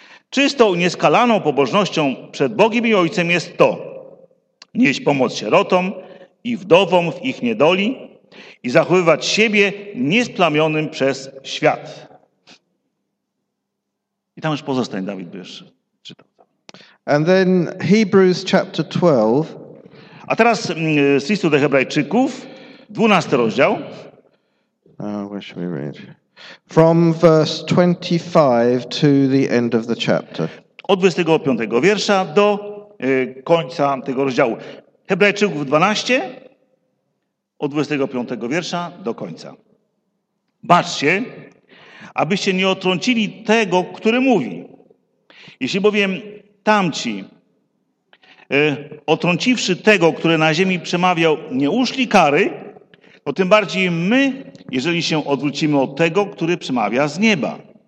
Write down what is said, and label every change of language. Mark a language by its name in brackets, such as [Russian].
[Polish] Czystą i nieskalaną pobożnością przed Bogiem i Ojcem jest to, nieść pomoc sierotom i wdowom w ich niedoli, i zachowywać siebie niesplamionym przez świat. I tam już pozostań, Dawid, by jeszcze czytał. [English] And then Hebrews chapter 12. [Polish] A teraz z listu do Hebrajczyków, 12 rozdział. [English] Where should we read? From verse 25 to the end of the chapter. [Polish] Od 25 wiersza do końca tego rozdziału. Hebrajczyków 12. Od 25 wiersza do końca. Baczcie, abyście nie otrącili tego, który mówi. Jeśli bowiem tamci, otrąciwszy tego, który na ziemi przemawiał, nie uszli kary, to tym bardziej my, jeżeli się odwrócimy od tego, który przemawia z nieba.